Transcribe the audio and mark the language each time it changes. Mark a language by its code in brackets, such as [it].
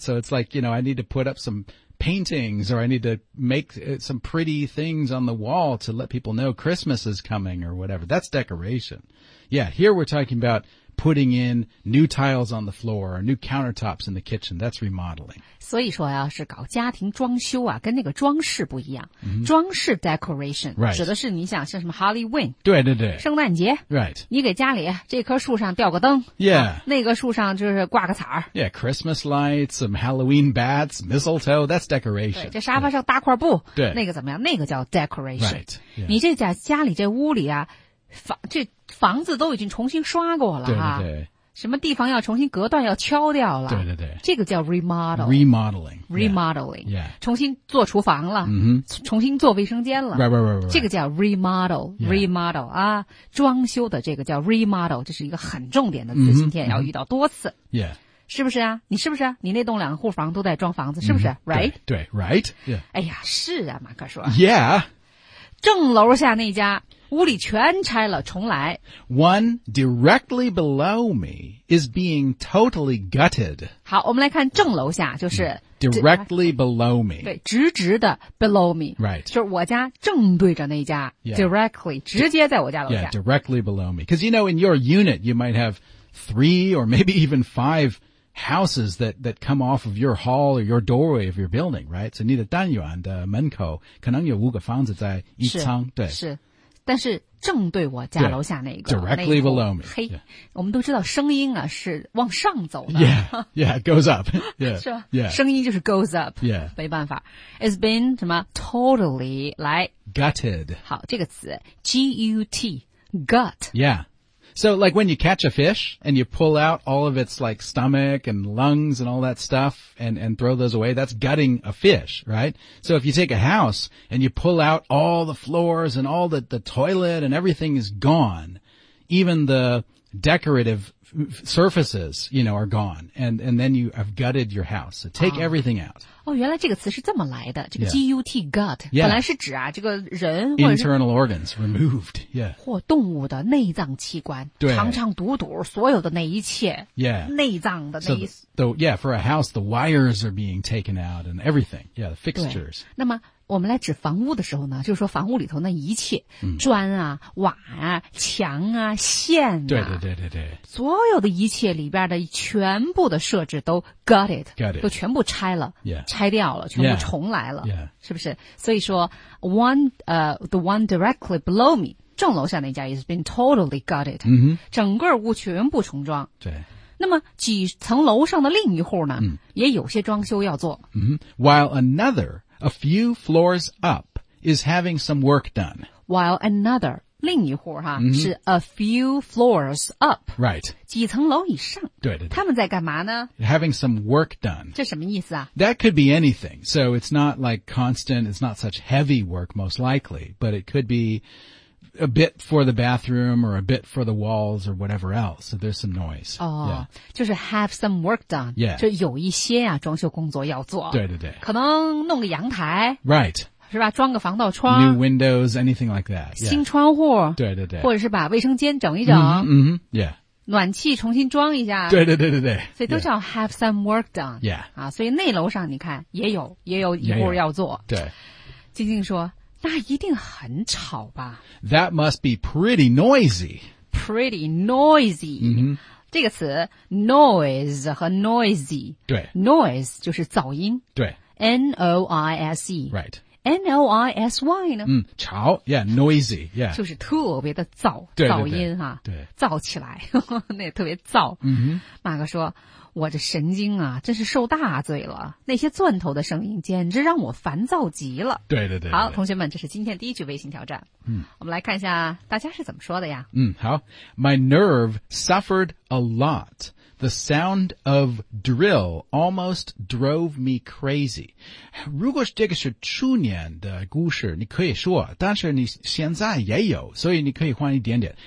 [en] So it's like, you know, I need to put up some paintings or I need to make some pretty things on the wall to let people know Christmas is coming or whatever. That's decoration. Yeah, here we're talking about putting in new tiles on the floor or new countertops in the kitchen. That's remodeling. [zh] 所以说呀、啊、是搞家庭装修啊跟那个装饰不一样。 Mm-hmm. 装饰 decoration、 [en] right. [zh] 指的是你想像什么 Halloween。对对对。圣诞节。 [en] Right. [zh] 你给家里这棵树上吊个灯。 [en] Yeah.、 [zh] 啊、那个树上就是挂个彩。 [en] Yeah, Christmas lights, some Halloween bats, mistletoe, that's decoration. [zh] 对这沙发上搭块布。对。那个怎么样那个叫 decoration. [en] Right.、Yeah. [zh] 你这家里这屋里啊这房子都已经重新刷过了哈，对对对，什么地方要重新隔断要敲掉了，对对对，这个叫 remodel, [en] remodeling, remodeling, yeah, [zh] 重新做厨房了、 mm-hmm. 重新做卫生间了 [en] right, right, right, right. [zh] 这个叫 remodel,、 [en] yeah. [zh] remodel, 啊装修的这个叫 remodel, 这是一个很重点的词、 mm-hmm. 今天要遇到多次、 [en] mm-hmm. yeah. [zh] 是不是啊你是不是啊你那栋两户房都在装房子是不是、mm-hmm. [en] right? [zh] 对, 对 right?、Yeah. 哎呀是啊马克说 [en] yeah, [zh] 正楼下那家屋里全拆了重来。 [en] One directly below me is being totally gutted. [zh] 好我们来看正楼下就是、 [en] mm. directly below me. [zh] 对直直的 [en] below me. Right. [zh] 就是我家正对着那家、 [en] yeah. [zh] directly, 直接在我家楼下。 [en] Yeah, directly below me. Because you know, in your unit, you might have three or maybe even five houses that come off of your hall or your doorway of your building, right? [zh] So 你的单元的门口可能有五个房子在一层对。是。但是正对我家楼下那个 [en] directly below me [zh] 嘿、hey, yeah. 我们都知道声音啊是往上走的 [en] yeah yeah it goes up yeah, [zh] 是吧、 [en] yeah. [zh] 声音就是 [en] goes up yeah [zh] 没办法 [en] it's been [zh] 什么 totally 来 [en] gutted [zh] 好这个词 G-U-T gut [en] yeah so like when you catch a fish and you pull out all of its like stomach and lungs and all that stuff and throw those away that's gutting a fish right so if you take a house and you pull out all the floors and all the toilet and everything is gone even the decorative surfaces, you know, are gone. And then you have gutted your house. So take everything out. [zh] 哦，原来这个词是这么来的，这个 gut gut， 本来是指啊这个人 [en] internal organs removed， yeah， [zh] 或动物的内脏器官，对，肠肠肚肚，所有的那一切， [en] yeah， [zh] 内脏的那一 [en] yeah， for a house， the wires are being taken out and everything， yeah， the fixtures。 [zh] 那么我们来指房屋的时候呢，就是说房屋里头那一切，砖啊、瓦啊、墙啊、线啊，对对对对对，所有的一切里边的全部的设置都 [en] got it， [zh] 都全部拆了， [en] yeah。 [zh] 拆掉了，全部重来了， [en] yeah, yeah. [zh] 是不是？所以说 [en] the one directly below me， [zh] 正楼下那家 [en] has been totally gutted， [zh] 整个屋全部重装。对，那么几层楼上的另一户呢，也有些装修要做。 [en] While another a few floors up is having some work done， while another [zh] 另一户哈，是 [en] a few floors up， right， [zh] 几层楼以上。对对对，他们在干嘛呢？ [en] Having some work done， [zh] 这什么意思啊？ [en] That could be anything， so it's not like constant， it's not such heavy work most likely， but it could be a bit for the bathroom or a bit for the walls or whatever else， so there's some noise。 [zh] 哦，就是 [en] have some work done， yeah， [zh] 就有一些啊装修工作要做。对对对，可能弄个阳台， [en] right， [zh] 是吧，装个防盗窗， [en] New windows, anything like that，yeah。 [zh] 新窗户，对对对，或者是把卫生间整一整， [en] yeah， [zh] 暖气重新装一下，对对对对对，所以都叫 [en] have some work done， yeah， [zh] 啊，所以那楼上你看也有一户要做，对。静静说，那一定很吵吧？ [en] That must be pretty noisy. Pretty noisy， [zh] 这个词 noise 和 noisy，对，noise 就是噪音，对 [en] ，noise， right。 [zh] Noisy 呢？吵 [en] ，yeah， noisy， yeah， [zh] 就是特别的噪，对对对，噪音哈，对，噪起来，呵呵，那特别噪。马哥说，我这神经啊，真是受大罪了，那些钻头的声音简直让我烦躁极了。对对 对， 对。好，同学们，这是今天第一句微信挑战。我们来看一下大家是怎么说的呀。 [en] 好 ，My nerve suffered a lot. The sound of drill almost drove me crazy. [zh] 如果这个是去年的故事，你可以说，但是你现在也有，所以你可以换一点点。